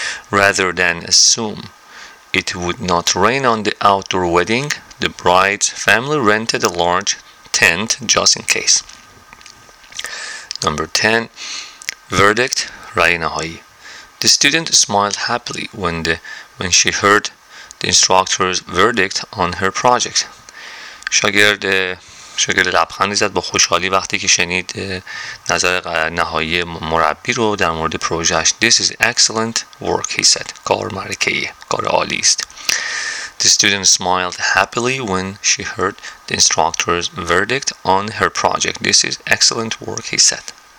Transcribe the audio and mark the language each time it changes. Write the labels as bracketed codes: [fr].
[en] Rather than assume it would not rain on the outdoor wedding, the bride's family rented a large tent. tent just in case. Number 10. [fa] Verdict, رأي نهائي. [en] The student smiled happily when she heard the instructor's verdict on her project. [fa] شاگرد لبخندی زد با خوشحالی وقتی که شنید نظر نهایی مربی رو در مورد پروژهش. [en] This is excellent work, he said. [fa] کار مرکه‌ای، کار عالی است. [en] The student smiled happily when she heard the instructor's verdict on her project. This is excellent work, he said.